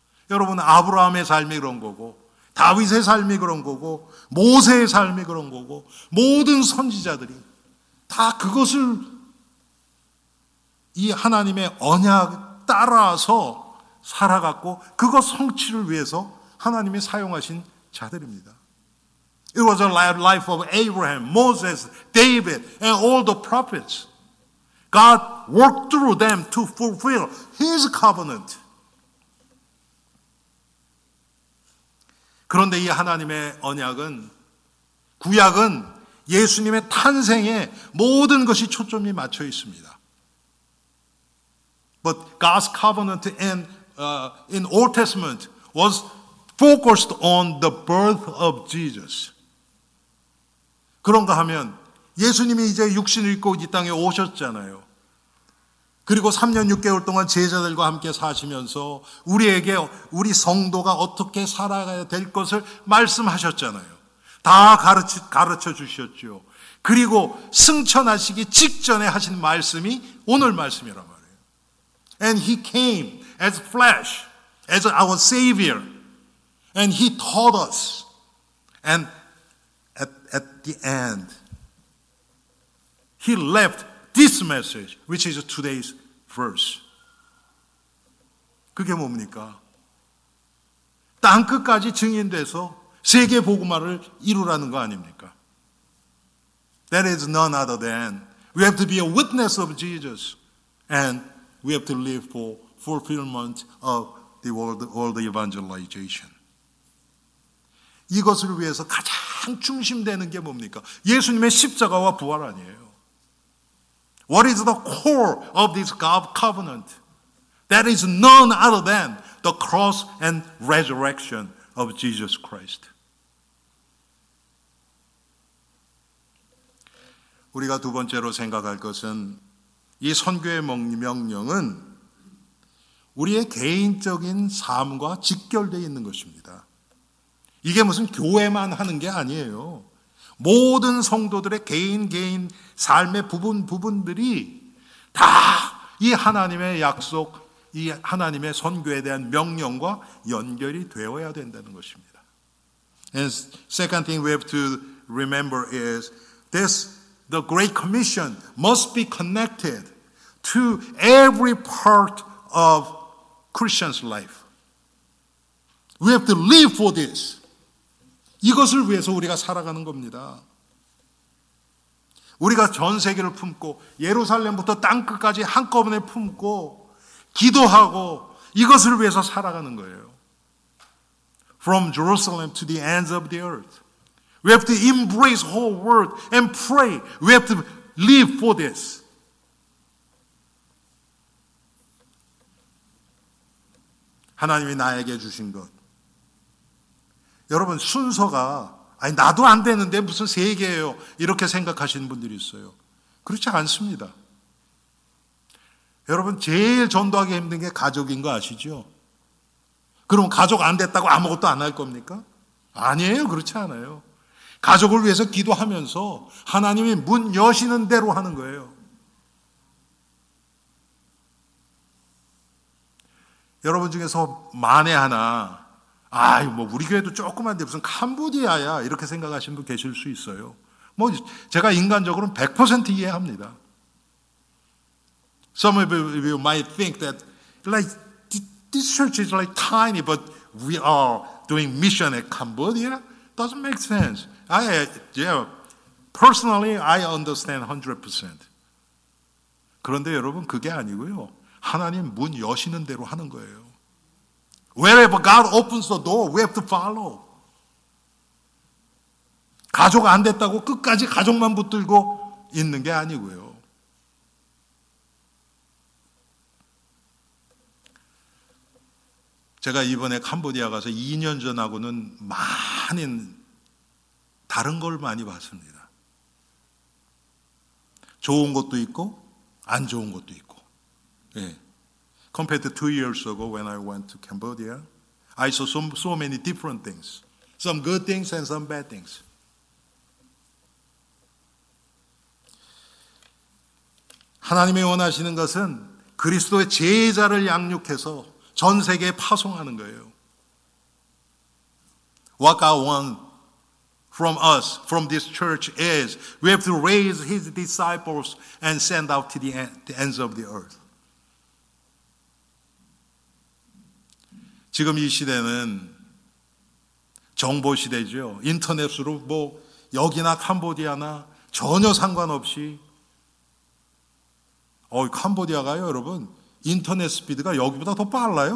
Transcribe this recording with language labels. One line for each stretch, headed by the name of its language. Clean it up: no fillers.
Korean: 여러분, 아브라함의 삶이 그런 거고, 다윗의 삶이 그런 거고, 모세의 삶이 그런 거고, 모든 선지자들이 다 그것을 이 하나님의 언약 따라서 살아갔고 그것 성취를 위해서 하나님이 사용하신 자들입니다.
English: It was the life of Abraham, Moses, David, and all the prophets. God worked through them to fulfill his covenant.
Korean: 그런데 이 하나님의 언약은, 구약은 예수님의 탄생에 모든 것이 초점이 맞춰 있습니다.
English: But God's covenant in Old Testament was focused on the birth of Jesus.
Korean: 그런가 하면 예수님이 이제 육신을 입고 이 땅에 오셨잖아요. 그리고 3년 6개월 동안 제자들과 함께 사시면서 우리에게 우리 성도가 어떻게 살아가야 될 것을 말씀하셨잖아요. 다 가르쳐 주셨죠. 그리고 승천하시기 직전에 하신 말씀이 오늘 말씀이란 말이에요.
English: And he came as flesh, as our savior. And he taught us. And at the end, he left this message, which is today's verse.
Korean: 그게 뭡니까? 땅 끝까지 증인돼서 세계 복음화를 이루라는 거 아닙니까?
English: That is none other than we have to be a witness of Jesus and we have to live for fulfillment of the world evangelization.
Korean: 이것을 위해서 가장 중심되는 게 뭡니까? 예수님의 십자가와 부활 아니에요.
English: What is the core of this covenant? That is none other than the cross and resurrection of Jesus Christ.
Korean: 우리가 두 번째로 생각할 것은 이 선교의 명령은 우리의 개인적인 삶과 직결되어 있는 것입니다. 이게 무슨 교회만 하는 게 아니에요. 모든 성도들의 개인 삶의 부분들이 다 이 하나님의 약속, 이 하나님의 선교에 대한 명령과 연결이 되어야 된다는 것입니다.
English: And second thing we have to remember is this, the Great Commission must be connected to every part of Christian's life. We have to live for this.
Korean: 이것을 위해서 우리가 살아가는 겁니다. 우리가 전 세계를 품고 예루살렘부터 땅끝까지 한꺼번에 품고 기도하고 이것을 위해서 살아가는 거예요.
English: From Jerusalem to the ends of the earth. We have to embrace the whole world and pray. We have to live for this.
Korean: 하나님이 나에게 주신 것. 여러분 순서가 아니 나도 안 되는데 무슨 세계예요 이렇게 생각하시는 분들이 있어요. 그렇지 않습니다. 여러분 제일 전도하기 힘든 게 가족인 거 아시죠? 그럼 가족 안 됐다고 아무것도 안 할 겁니까? 아니에요. 그렇지 않아요. 가족을 위해서 기도하면서 하나님이 문 여시는 대로 하는 거예요. 여러분 중에서 만에 하나 아이 뭐 우리 교회도 조그만데 무슨 캄보디아야 이렇게 생각하시는 분 계실 수 있어요. 뭐 제가 인간적으로는 100% 이해합니다.
English: Some of you might think that like this church is like tiny but we are doing mission in Cambodia. Doesn't make sense. I personally understand 100%.
Korean: 그런데 여러분 그게 아니고요. 하나님 문 여시는 대로 하는 거예요.
English: Wherever God opens the door, we have to follow.
Korean: 가족 안 됐다고 끝까지 가족만 붙들고 있는 게 아니고요. 제가 이번에 캄보디아 가서 2년 전하고는 많이 다른 걸 많이 봤습니다. 좋은 것도 있고 안 좋은 것도 있고. 예.
English: Compared to 2 years ago when I went to Cambodia, I saw so many different things. Some good things and some bad things.
Korean: 하나님이 원하시는 것은 그리스도의 제자를 양육해서 전 세계에 파송하는 거예요.
English: What God wants from us, from this church is we have to raise his disciples and send out to the ends of the earth.
Korean: 지금 이 시대는 정보 시대죠. 인터넷으로 뭐 여기나 캄보디아나 전혀 상관없이 캄보디아가요 여러분 인터넷 스피드가 여기보다 더 빨라요.